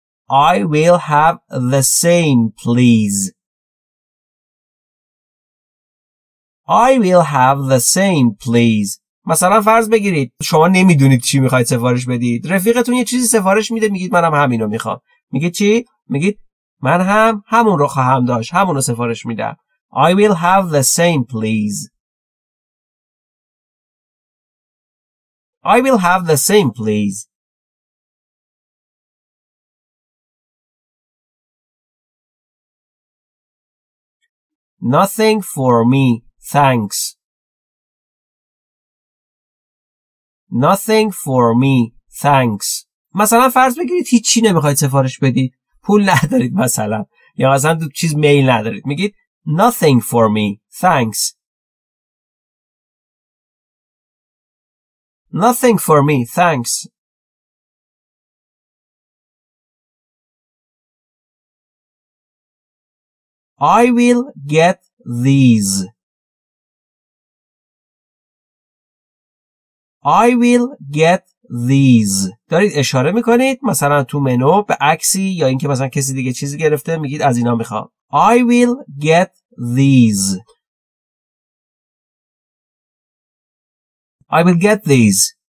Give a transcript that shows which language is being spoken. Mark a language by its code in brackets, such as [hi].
[en] I will have the same, please. I will have the same, please. [fa] مثلا فرض بگیرید شما نمیدونید چی میخواید سفارش بدید. رفیقتون یه چیزی سفارش میده، میگید منم همینو میخوام. میگید چی؟ میگید من هم همون رو خواهم داشت، همون رو سفارش میدم. [en] I will have the same, please. I will have the same, please. Nothing for me, thanks. Nothing for me, thanks. [fa] مثلا فرض بگیرید هیچی نمیخواید سفارش بدید، پول ندارید مثلا، یا مثلا دو چیز میل ندارید، میگید [en] Nothing for me, thanks. Nothing for me, thanks. I will get these. I will get these. [fa] دارید اشاره میکنید مثلا تو منو به عکسی یا اینکه مثلا کسی دیگه چیزی گرفته، میگید از اینا میخوام. [en] I will get these. I will get these.